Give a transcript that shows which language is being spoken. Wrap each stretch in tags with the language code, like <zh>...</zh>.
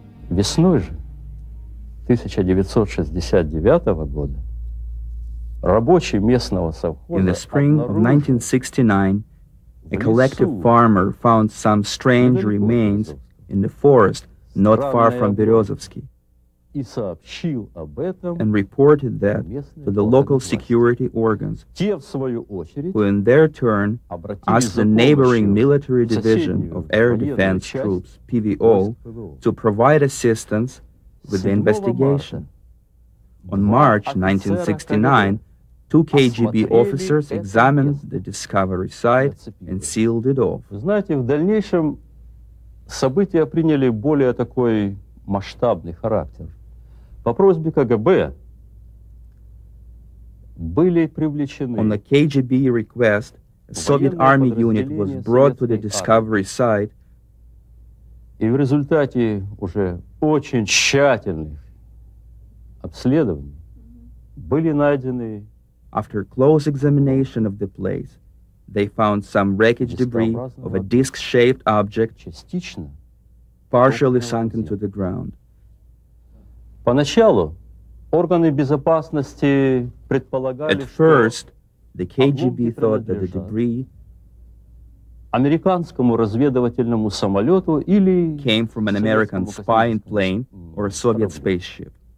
<ru>Весной же 1969 года рабочий местного совхоза.</ru> <en>In the spring of 1969, a collective farmer found some strange remains in the forest not far from Berezovsky and reported that to the local security organs, who in their turn asked the neighboring military division of air defense troops, PVO, to provide assistance with the investigation. On March 1969, two KGB officers examined the discovery site and sealed it off.</en> <ru>Знаете, в дальнейшем события приняли более такой масштабный характер. По просьбе КГБ были привлечены.</ru> <en>On a KGB request, a Soviet army unit was brought to the discovery site.</en> <ru>И в результате уже очень тщательных обследований были найдены.</ru> <en>After close examination of the place, they found some wreckage debris of a disc-shaped object partially sunk into the ground. At first, the KGB thought that the debris came from an American spying plane or a Soviet spaceship.</en>